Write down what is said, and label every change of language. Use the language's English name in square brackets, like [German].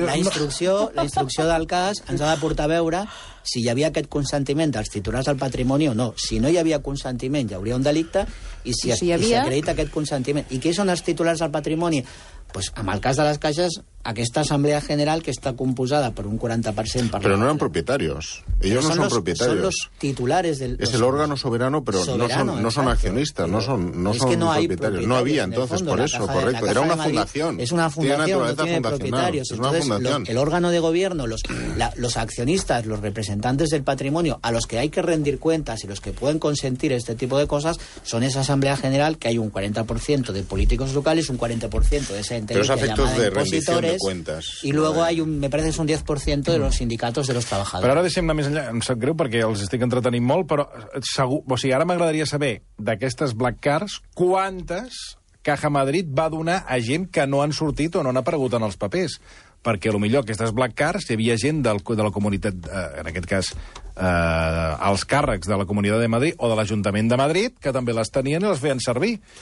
[Catalan] la instrucció del cas ens ha de portar a veure si hi havia aquest consentiment dels titulars del patrimoni o no. Si no hi havia consentiment, hi hauria un delicte, i si s'acredita aquest consentiment. I què són els titulars del patrimoni? Pues, en el cas de les caixes, aquesta assemblea general que està composada per un 40%... Però no eren propietarios. [Spanish] Ellos no son propietarios. Son los titulares del... Es el órgano soberano, pero no son accionistas, pero no son propietarios. No había, entonces, fondo, por eso, correcto. Era una fundación. Es una fundación, tiene naturaleza no tiene propietarios. Es una entonces, fundación. El órgano de gobierno, los accionistas, los representantes del patrimonio, a los que hay que rendir cuentas y los que pueden consentir este tipo de cosas, son esa asamblea general que hay un 40% de políticos locales, un 40% de esa entidad llamada impositores. Pero es efectos de rendición de cuentas. Y luego hay, me parece, un 10% de los sindicatos de los trabajadores. [Catalan] Pero ahora decimos més enllà, em sap greu perquè els estic entretenint molt, però segur, o sigui, ara m'agradaria saber d'aquestes black cards quantes Caja Madrid va donar a gent que no han sortit o no han aparegut en els papers, perquè potser aquestes black cards hi havia gent de la comunitat, en aquest cas els càrrecs de la Comunitat de Madrid o de l'Ajuntament de Madrid, que també les tenien i les feien servir.